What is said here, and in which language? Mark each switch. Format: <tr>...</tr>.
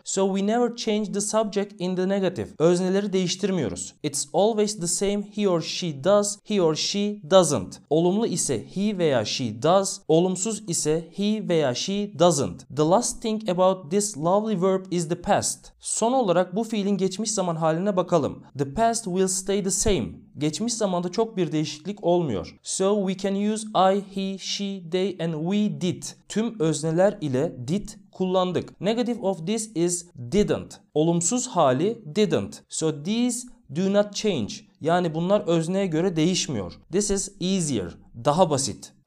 <en>So we never change the subject in the negative.</en> <tr>Özneleri değiştirmiyoruz.</tr> <en>It's always the same he or she does, he or she doesn't.</en> <tr>Olumlu ise he veya she does, olumsuz ise he veya she doesn't.</tr> <en>The last thing about this lovely verb is the past.</en> <tr>Son olarak bu fiilin geçmiş zaman haline bakalım.</tr> <en>The past will stay the same.</en> <tr>Geçmiş zamanda çok bir değişiklik olmuyor.</tr> <en>So we can use I, he, she, they and we did.</en> <tr>Tüm özneler ile did kullandık.</tr> <en>Negative of this is didn't.</en> <tr>Olumsuz hali didn't.</tr> <en>So these do not change.</en> <tr>Yani bunlar özneye göre değişmiyor.</tr> <en>This is easier.</en> <tr>Daha basit.</tr>